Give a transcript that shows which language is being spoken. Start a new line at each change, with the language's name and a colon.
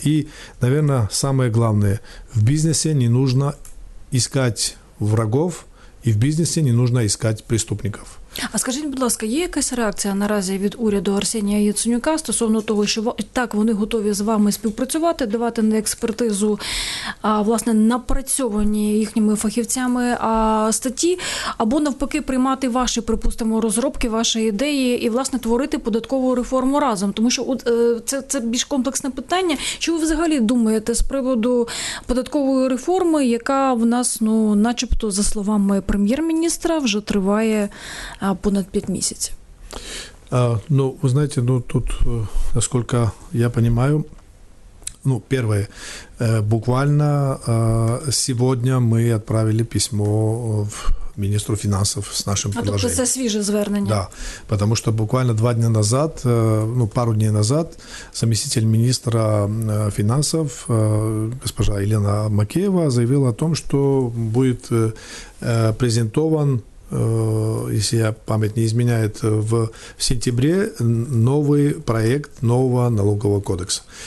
Russian: И, наверное, самое главное, в бизнесе не нужно искать врагов, и в бизнесе не нужно искать преступников.
Ukrainian: А скажіть, будь ласка, є якась реакція наразі від уряду Арсенія Яценюка стосовно того, що так, вони готові з вами співпрацювати, давати на експертизу, а, власне, напрацьовані їхніми фахівцями статті, або навпаки приймати ваші, припустимо, розробки, ваші ідеї і, власне, творити податкову реформу разом? Тому що це більш комплексне питання. Чи ви взагалі думаєте з приводу податкової реформи, яка в нас, ну, начебто, за словами прем'єр-міністра, вже триває понад 5 месяцев.
Russian: Ну, вы знаете, ну, тут, насколько я понимаю, ну, первое, буквально сегодня мы отправили письмо в министру финансов с нашим предложением. А тут это свежее звернение. Да, потому что буквально два дня назад, ну, пару дней назад, заместитель министра финансов, госпожа Елена Макеева, заявила о том, что будет презентован, если я память не изменяет, в сентябре новый проект нового налогового кодекса.